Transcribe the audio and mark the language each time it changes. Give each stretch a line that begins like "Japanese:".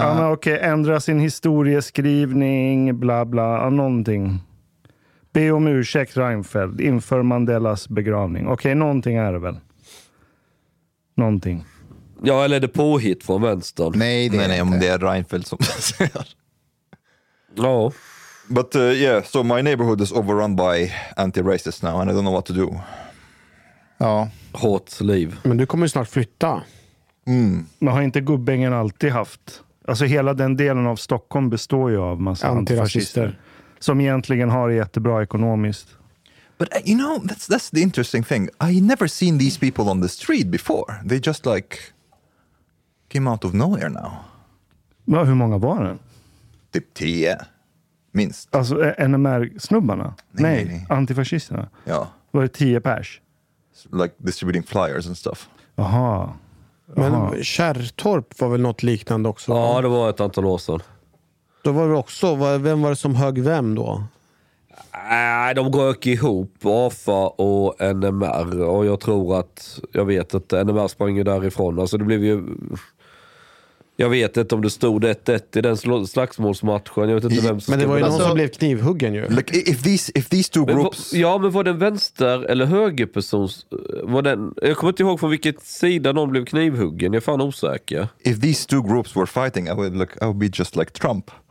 Swedish: Ja, okej, ändra sin historieskrivning, bla bla, någonting. Be om ursäkt, Reinfeldt. Inför Mandelas begravning. Okej, någonting är det väl. Någonting. Ja, eller är det påhitt från vänstern? Nej, det är inte. Om det är Reinfeldt som säger. Ja.
English: No. But yeah, so my neighborhood is overrun by anti-racists now and I don't know what to do.
Swedish: Ja. Hårt liv. Men du kommer ju snart flytta. Man har inte gubbängen alltid haft. Alltså hela den delen av Stockholm består ju av massa antifascister som egentligen har det jättebra ekonomiskt.
English: But you know, that's the interesting thing. I never seen these people on the street before. They just like came out of nowhere now.
Swedish: Men hur många var det? Typ 10 minst. Alltså NMR-snubbarna? Nej, antifascisterna. Ja. Var det 10 pers?
English: Like distributing flyers and stuff.
Swedish: Aha. Men Kärrtorp var väl något liknande också? Ja, det var ett antal år sedan. Då var det också, vem var det som hög vem då? De rök ihop, AFA och NMR. Och jag tror att, jag vet att NMR sprang ju därifrån. Alltså det blev ju... Jag vet inte om det stod 1-1 i den slagsmålsmatchen. Jag vet inte vem som... Men det var ju någon som blev knivhuggen ju.
English: Like, if these two groups...
Swedish: Men var den vänster eller höger person... Jag kommer inte ihåg från vilket sida någon blev knivhuggen. Jag är fan osäker.
English: If these two groups were fighting, I would be just like Trump.